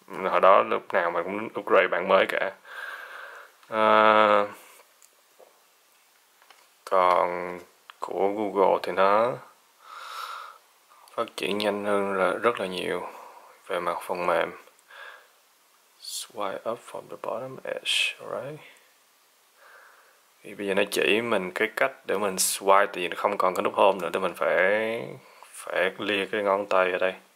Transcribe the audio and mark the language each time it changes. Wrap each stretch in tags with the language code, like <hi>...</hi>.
<vi>Hồi đó lúc nào mình cũng upgrade bản mới cả. Còn của Google thì nó phát triển nhanh hơn rất là nhiều về mặt phần mềm.</vi> <en>Swipe up from the bottom edge, right?</en> <vi>Thì bây giờ nó chỉ mình cái cách để mình swipe, tại vì nó không còn cái nút home nữa, để mình phải lia cái ngón tay ở đây.</vi>